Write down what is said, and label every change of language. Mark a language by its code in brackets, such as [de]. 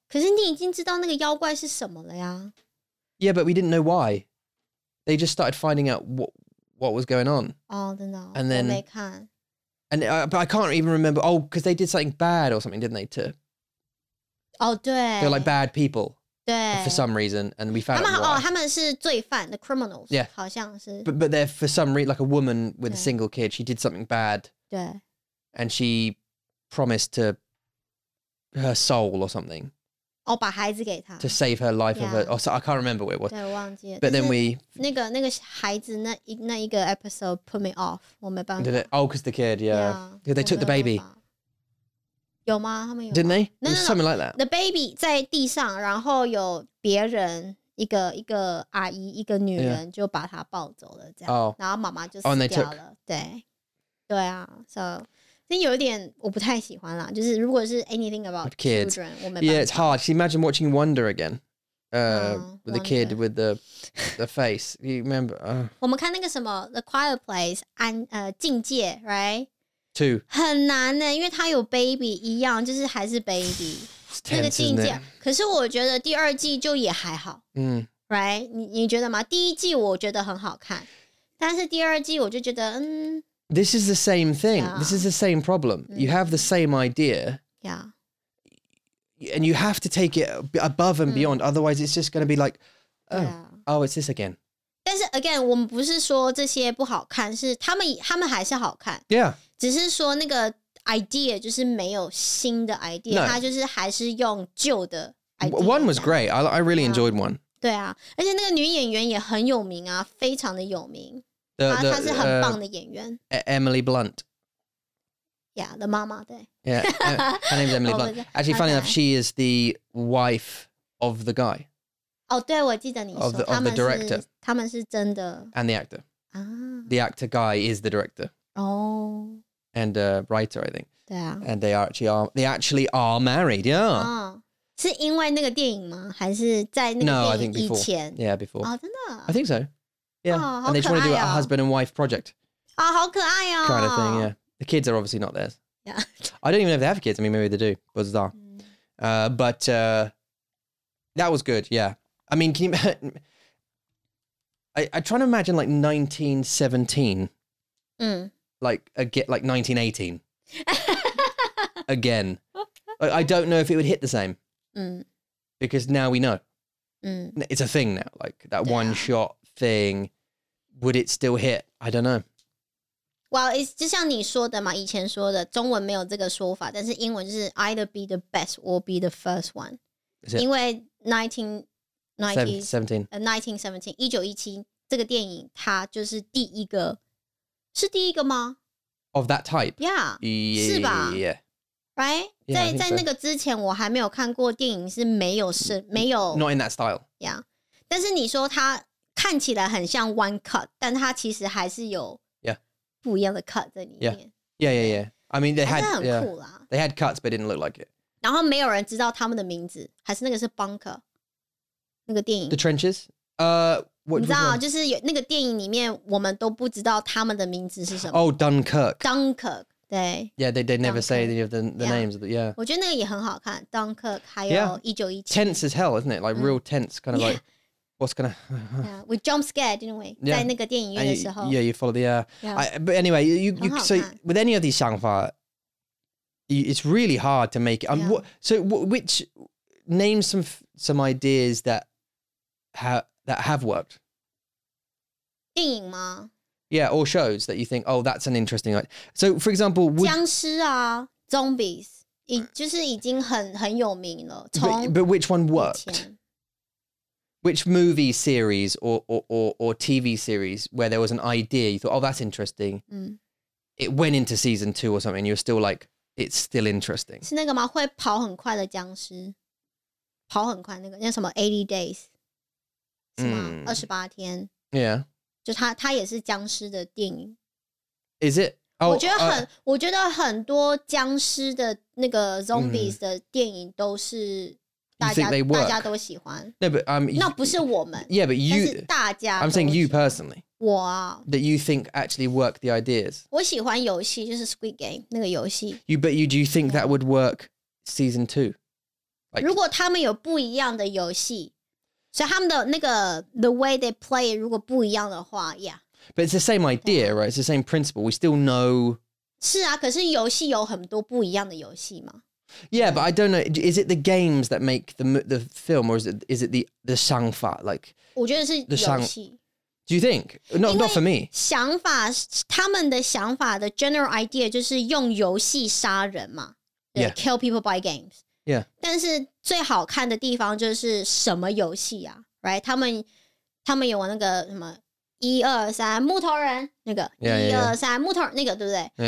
[zh] 可是你已经知道那个妖怪是什么了呀. [en] Yeah, but we didn't know why. They just started finding out what was going on. Oh, then no. And then... [zh] 我没看. [en] And but I can't even remember. Oh, because they did something bad or something, didn't they, to... [zh] Oh, 对. [en] They're like bad people. [zh] 对. [en] For some reason. And we found [zh] 他们, [en] out why. [zh] Oh, 他们是罪犯, [en] the criminals. Yeah. [zh] 好像是. [en] But they're for some reason, like a woman with [zh] 对. [en] A single kid. She did something bad. [zh] 对. [en] And she promised to her soul or something. [zh] Oh, 把孩子给他. [en] To save her life. Yeah. Of her, oh, so I can't remember what it was. [zh] 对, 忘记了. [en] But then we... [zh] 那个孩子那一个 episode put me off. 我没办法. [en] Did it? Oh, because the kid, yeah. Yeah, they took the baby. 有吗? Didn't they? No, no, no. Something like that. The baby [zh] 在地上, 然后有别人, 一个阿姨, 一个女人, 就把她抱走了, 这样, oh. 然后妈妈就死掉了, [en] oh, and they took... [zh] 对, 对啊, so, 有点, 我不太喜欢啦, 就是如果是 [en] anything about kids. [zh] Children, 我没办法。 [en] Yeah, it's hard. Can you imagine watching Wonder again? With the kid with the face. You remember? [zh] 我们看那个什么, The Quiet Place, 境界, right? [en] Two. [zh] 很难耶, 因为他有baby 一样, 就是还是baby. [en] It's tense, isn't it? [zh] 可是我觉得第二季就也还好, right? 你觉得吗? 第一季我觉得很好看, 但是第二季我就觉得, [en] This is the same thing. Yeah. This is the same problem. Mm. You have the same idea. Yeah. And you have to take it above and beyond. Mm. Otherwise, it's just going to be like, oh, yeah. oh, it's this again. [zh] 但是again, 我们不是说这些不好看, 是他们还是好看。 [en] Yeah. [zh] 只是说那个 idea 就是没有新的 idea, [en] no. [zh] 他就是还是用旧的 idea. [en] One was great. I really yeah. enjoyed one. [zh] 对啊, 而且那个女演员也很有名啊, 非常的有名。她是很棒的演员。 [en] Emily Blunt. Yeah, the mama, [zh] 对。 [en] Yeah, her name's Emily Blunt. Actually, funny enough, she is the wife of the guy. [zh] 哦,对, 我记得你说, [en] of the director. [zh] 他们是真的。 [en] And the actor. 啊, the actor guy is the director. Oh, and a writer, I think. Yeah. And they actually are married. Yeah. [zh] Oh, 是因为那个电影吗？还是在那个电影以前? [en] No, I think before. Yeah, before. [zh] Oh, 真的? [en] I think so. Yeah. Oh, and they just want to do a husband and wife project. [zh] Oh, 好可爱哦. [en] Kind of thing. Yeah. The kids are obviously not theirs. Yeah. I don't even know if they have kids. I mean, maybe they do. Bizarre. Mm. But that was good. Yeah. I mean, can you? I'm trying to imagine like 1917. Hmm. Like 1918 again. I don't know if it would hit the same because now we know it's a thing now. Like that one shot thing, would it still hit? I don't know. Well, it's [zh] 就像你说的嘛，以前说的中文没有这个说法，但是英文就是 [en] either be the best or be the first one. [zh] 因为1917这个电影，它就是第一个，是第一个吗？ [en] Of that type. Yeah. [zh] 是吧? [en] Yeah. Right? Yeah, [zh] 在, [en] so. Not in that style. [zh] Yeah. 但是你说他, 看起来很像 one cut, 但它其实还是有不一样的 cut 在里面。 [en] Yeah. I mean, they had, [zh] 还是很酷啦。 [en] Yeah. They had cuts, but didn't look like it. [zh] 然后没有人知道他们的名字，还是那个是 bunker, 那个电影。 [en] The Trenches? [zh] What, 你知道就是有那个电影里面我们都不知道他们的名字是什么。 [en] Oh, Dunkirk. [zh] Dunkirk, 对。 [en] Yeah, they never say any of the names. Yeah. [zh] 我觉得那个也很好看 ,Dunkirk, 还有1917。 [en] Tense as hell, isn't it? Like real tense, kind of like, what's gonna... Yeah, we jump scared, didn't we? Yeah. [zh] 在那个电影院的时候。 [en] Yeah, you follow the air. But anyway, you so with any of these [zh] 想法, [en] it's really hard to make it. Which, name some ideas that have worked. [zh] 电影吗? [en] Yeah, or shows that you think, oh, that's an interesting idea. So, for example, would... [zh] 僵尸啊, zombies, 就是已经很有名了, 从... [en] But which one worked? Which movie series or TV series where there was an idea, you thought, oh, that's interesting. It went into season two or something, and you're still like, it's still interesting. [zh] 是那个吗?会跑很快的僵尸。跑很快那个,那什么 ,80 days. 什么28天 [en] Yeah [zh] 就它也是僵尸的电影 [en] Is it?、 [zh] Oh, 我觉得很多僵尸的那个 zombies 的电影都是大家都喜欢 [en] No but、 [zh] 那不是我们 [en] Yeah but you [zh] 大家 [en] I'm saying you personally [zh] 我啊 [en] That you think actually work the ideas [zh] 我喜欢游戏就是 Squid Game 那个游戏 [en] But you, do you think that would work season 2? [zh] Like, 如果他们有不一样的游戏所以他们的那个 [en] the way they play [zh] 如果不一样的话 yeah. [en] But it's the same idea, right? It's the same principle. We still know... [zh] 是啊,可是游戏有很多不一样的游戏嘛。 [en] Yeah, but I don't know. Is it the games that make the film or is it the [zh] 想法? [en] Like, [zh] 我觉得是游戏。 [en] Do you think? Not for me. [zh] 想法,他们的想法的 [en] general idea [zh] 就是用游戏杀人嘛。 [en] Yeah. Kill people by games. Yeah. [zh] 但是最好看的地方就是什么游戏啊 right? 他们有那个什么一二三木头人那个一二三木头人那个对不对、